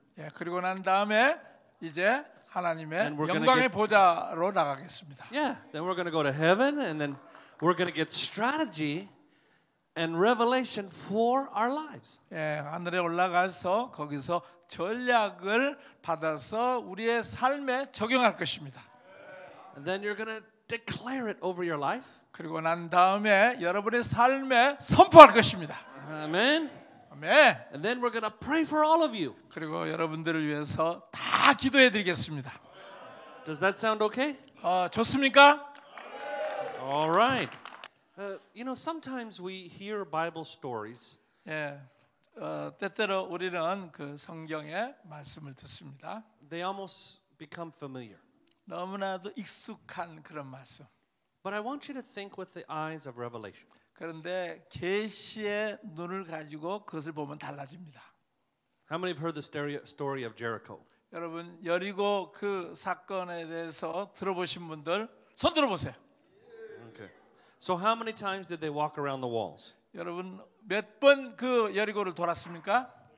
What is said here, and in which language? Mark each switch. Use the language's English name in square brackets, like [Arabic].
[Korean] 예, 그리고 난 다음에 이제 하나님의 영광의 보좌로 나가겠습니다. [English] Yeah, then we're going to go to heaven and then we're going to get strategy and revelation for our lives. [Korean] 예, 하늘에 올라가서 거기서 전략을 받아서 우리의 삶에 적용할 것입니다. [English] And then you're going to declare it over your life. [Korean] 그리고 난 다음에 여러분의 삶에 선포할 것입니다. [English] Amen. Amen. And then we're going to pray for all of you. [Korean] 그리고 여러분들을 위해서 다 기도해 드리겠습니다. [English] Does that sound okay? [Korean] 좋습니까? [English] All right. You know, sometimes we hear Bible stories. [Korean] 예, 때때로 우리는 그 성경의 말씀을 듣습니다. [English] They almost become familiar. [Korean] 너무나도 익숙한 그런 말씀. [English] But I want you to think with the eyes of Revelation. [Korean] 그런데 계시의 눈을 가지고 그것을 보면 달라집니다. [English] How many have heard the story of Jericho? [Korean] 여러분 여리고 그 사건에 대해서 들어보신 분들 손 들어보세요. [English] So how many times did they walk around the walls? [Korean] 여러분 몇 번 그 여리고를 돌았습니까?